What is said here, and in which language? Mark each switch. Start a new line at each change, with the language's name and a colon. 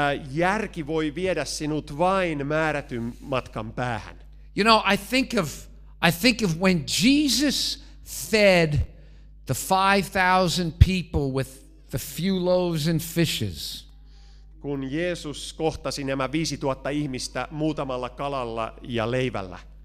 Finnish: Järki voi viedä sinut vain määrätyn matkan päähän.
English: You know, I think of when Jesus fed the 5,000 people with the few loaves and fishes.
Finnish: Kun Jeesus kohtasi nämä 5,000 ihmistä muutamalla kalalla ja leivällä.